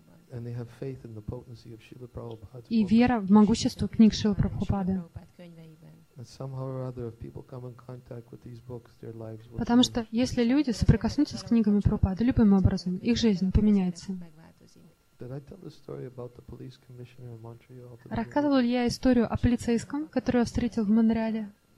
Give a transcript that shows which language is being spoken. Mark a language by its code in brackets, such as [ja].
[en] And they have faith in the potency of Śrīla Prabhupāda. [ru] И вера в могущество книг Шрилы Прабхупады. [en] And somehow or other, if people come in contact with these books, their lives will. [ru] Потому что если люди соприкоснутся с книгами Прабхупады любым образом, их жизнь поменяется. [en] Did I tell the story about the police commissioner in Montreal? [ru] Рассказывал ли я историю о полицейском, которого встретил в Монреале?